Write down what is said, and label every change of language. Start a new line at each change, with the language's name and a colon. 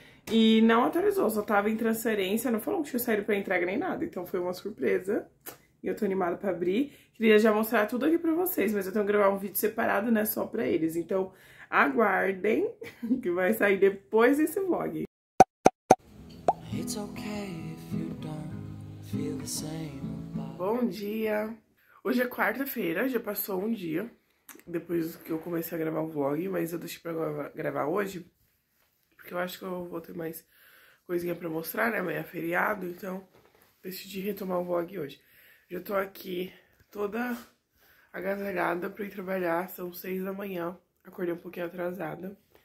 Portuguese: E não atualizou, só tava em transferência. Não falou que tinha saído pra entrega nem nada. Então foi uma surpresa. E eu tô animada pra abrir. Queria já mostrar tudo aqui pra vocês, mas eu tenho que gravar um vídeo separado, né? Só pra eles. Então aguardem, que vai sair depois desse vlog.
English: It's okay if you don't feel the same.
Portuguese: Bom dia! Hoje é quarta-feira, já passou um dia depois que eu comecei a gravar o vlog, mas eu deixei pra gravar hoje, porque eu acho que eu vou ter mais coisinha pra mostrar, né? Amanhã é feriado, então decidi retomar o vlog hoje. Já tô aqui toda agasalhada pra ir trabalhar, são 6 da manhã, acordei um pouquinho atrasada.